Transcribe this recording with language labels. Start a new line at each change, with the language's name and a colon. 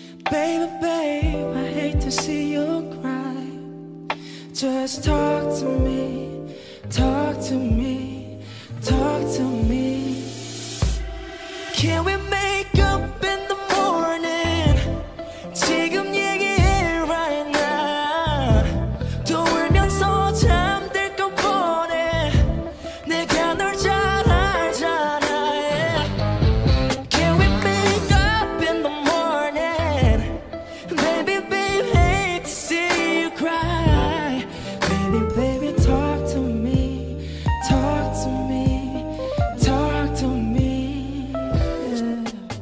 English: Baby, babe, I hate to see you cry Just talk to me, talk to me, talk to me Can we make up in the morning?
Korean: 지금 얘기해
English: right now
Korean: 또 울면서 잠들 것 뻔해 내가 널 잘 알잖아 yeah.
English: Can we make up in the morning? Baby, baby, hate to see you cry Baby, baby, talk to me Talk to me Talk to me yeah.